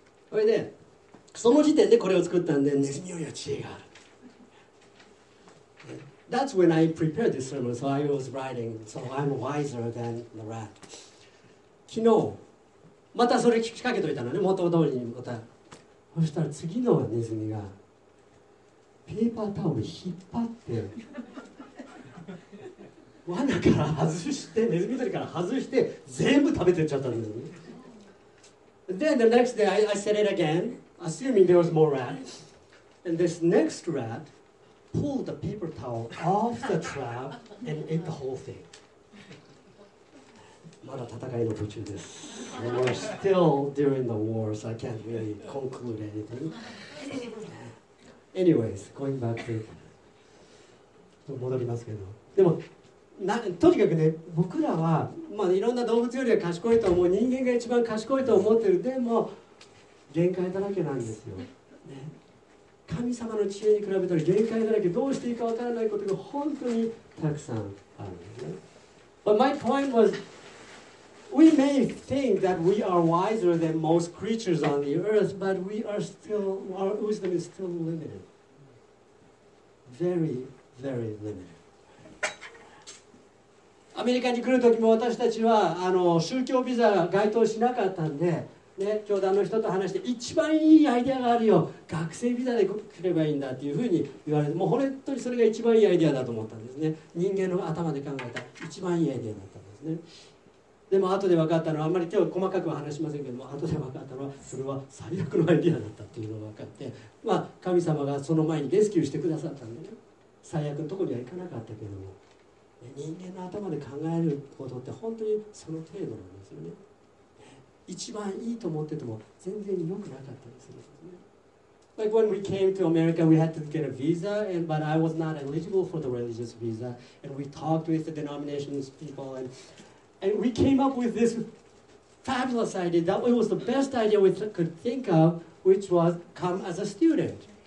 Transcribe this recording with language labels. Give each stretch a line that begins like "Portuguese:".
Japanese: それで、その時点でこれを作ったんで、ネズミよりは知恵がある。
English: That's when I prepared this sermon, so I was writing, so I'm wiser than the rat.
Japanese: 昨日、またそれ聞きかけといたのね、元通りにまた。そしたら次のネズミが、ペーパータオル引っ張って、罠から外して、ネズミ捕りから外して、全部食べてっちゃったんですね。
English: Then the next day I said it again, assuming there was more rats. And this next rat,pulled the paper towel off the trap and ate the whole thing.
Japanese: まだ戦いの途中です。
English: We're still during the war, so I can't really conclude anything. Anyways, going back to...
Japanese: 戻りますけど。でも、とにかくね、僕らは、まあ、いろんな動物よりは賢いと思う、人間が一番賢いと思ってる。でも、限界だらけなんですよ。神様の知恵に比べたら限界だらけ、どうしていいかわからないことが本当にたくさんあるんですね。
English: But my point was, we may think that we are wiser than most creatures on the earth, but we are still, our wisdom is still limited. Very, very limited.
Japanese: アメリカに来るときも私たちは宗教ビザが該当しなかったんで、ね、教団の人と話して一番いいアイデアがあるよ、学生ビザで来ればいいんだっていうふうに言われて、もう本当にそれが一番いいアイデアだと思ったんですね。人間の頭で考えた一番いいアイデアだったんですね。でも後で分かったのは、あんまり今日細かくは話しませんけども、後で分かったのはそれは最悪のアイデアだったっていうのが分かって、まあ神様がその前にレスキューしてくださったんでね、最悪のところには行かなかったけども、人間の頭で考えることって本当にその程度なんですよね。一番いいと思ってても全然良くなかったりするんですね。
English: Like when we came to America, we had to get a visa, and, but I was not eligible for the religious visa. And we talked with the denominations people, and we came up with this fabulous idea. That was the best idea we could think of, which was come as a student.